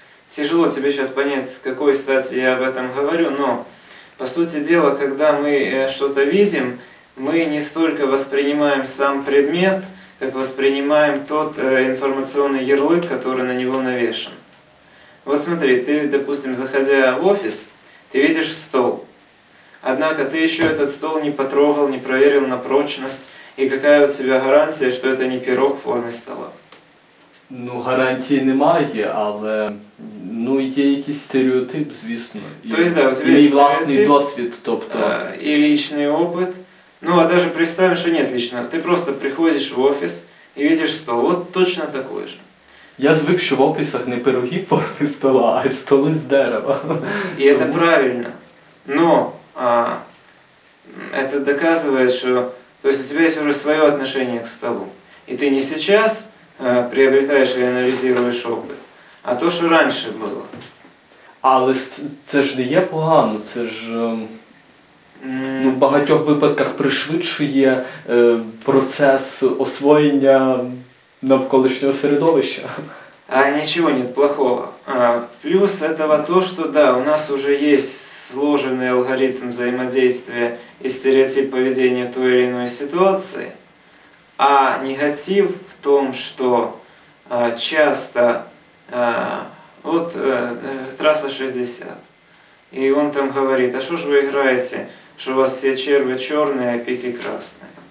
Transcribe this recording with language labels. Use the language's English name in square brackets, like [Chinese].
[Russian] Тяжело тебе сейчас понять, с какой стати я об этом говорю, но по сути дела, когда мы что-то видим, мы не столько воспринимаем сам предмет, как воспринимаем тот информационный ярлык, который на него навешен. Вот смотри, ты, допустим, заходя в офис, ты видишь стол. Однако ты еще этот стол не потрогал, не проверил на прочность. И какая у тебя гарантия, что это не пирог в форме стола? [Ukrainian] Ну, гарантии немає, але, ну, є якийсь стереотип, звісно. [Russian] То есть, да, у тебя есть [Ukrainian] власний досвід, тобто. [Russian] И личный опыт. Ну, а даже представим, что нет личного. Ты просто приходишь в офис, [Ukrainian] і видиш стол, от точно такий же. Я звик, що в описах не пироги в формі стола, а столи з дерева. І це правильно. [Russian] Но это доказывает, что то есть у тебя есть уже свое отношение к столу. И ты не сейчас приобретаешь или анализируешь опыт, а то, что раньше было. [Ukrainian] Але це ж не є погано, це ж в багатьох випадках пришвидшує процес освоєння навколишнього середовища. [Russian] А нічого нет плохого. Плюс этого то, что да, у нас уже есть сложенный алгоритм взаимодействия и стереотип поведения в той или иной ситуации, а негатив в том, что часто вот трасса 60, и он там говорит, а что же вы играете, что у вас все червы черные, а пики красные?